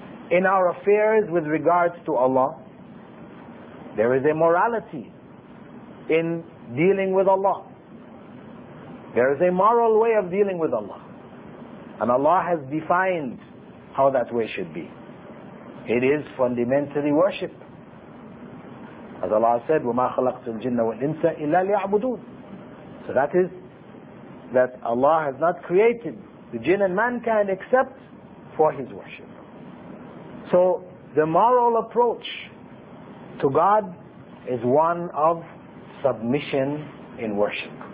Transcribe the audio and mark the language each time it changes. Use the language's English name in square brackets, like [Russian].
[English] In our affairs with regards to Allah, there is a morality in dealing with Allah. There is a moral way of dealing with Allah. And Allah has defined how that way should be. It is fundamentally worship. As Allah said, [Arabic] وَمَا خَلَقْتُ الْجِنَّ وَالْإِنسَ إِلَّا لِيَعْبُدُونَ. [English] So that is that Allah has not created the jinn and mankind except for His worship. So the moral approach to God is one of submission in worship.